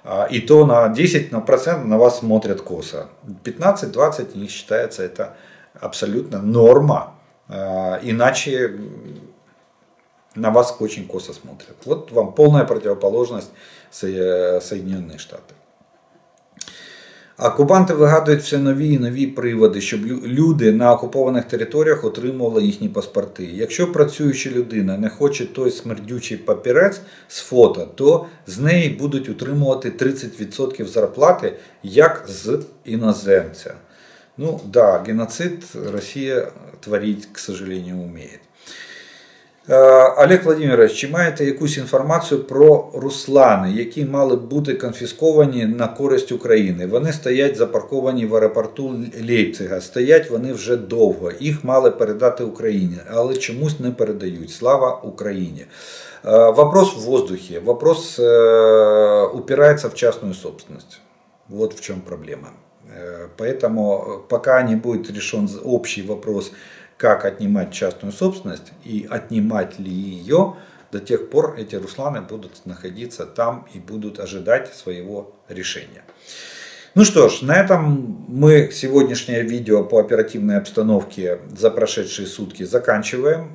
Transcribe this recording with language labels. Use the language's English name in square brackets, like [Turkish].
[Russian] И то на 10% на вас смотрят косо. 15-20% не считается это абсолютно норма. Иначе на вас очень косо смотрят. Вот вам полная противоположность Соединенные Штаты. [Ukrainian] Окупанти вигадують все нові і нові приводи, щоб люди на окупованих територіях отримували їхні паспорти. Якщо працююча людина не хоче той смердючий папірець з фото, то з неї будуть утримувати 30% зарплати, як з іноземця. Ну, да, геноцид Росія творить, [Russian] к сожалению, [Ukrainian] вміє. Олег Владимирович, чи маєте якусь інформацію про руслани, які мали бути конфісковані на користь України? Вони стоять запарковані в аеропорту Лейпцига, стоять вони вже довго, їх мали передати Україні, але чомусь не передають. Слава Україні! [Russian] Вопрос в воздухі, вопрос упирається в частну собственність. [Ukrainian] От в чому проблема. [Russian] Поэтому [Ukrainian] поки не буде рішен [Russian] общий вопрос, как отнимать частную собственность и отнимать ли ее, до тех пор эти русланы будут находиться там и будут ожидать своего решения. Ну что ж, на этом мы сегодняшнее видео по оперативной обстановке за прошедшие сутки заканчиваем.